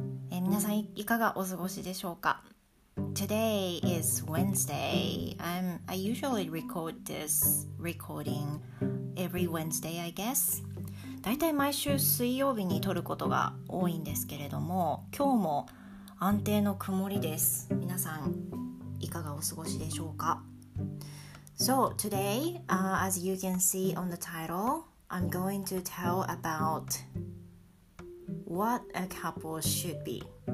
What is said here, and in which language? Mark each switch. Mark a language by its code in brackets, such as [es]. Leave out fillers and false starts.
[ja] 皆さんいかがお過ごしでしょうか? [en] Today is Wednesday. I usually record this recording every Wednesday, I guess. [ja] だいたい毎週水曜日に撮ることが多いんですけれども、今日も安定の曇りです。皆さんいかがお過ごしでしょうか? [en] So today, as you can see on the title, I'm going to tell about what a couple should be.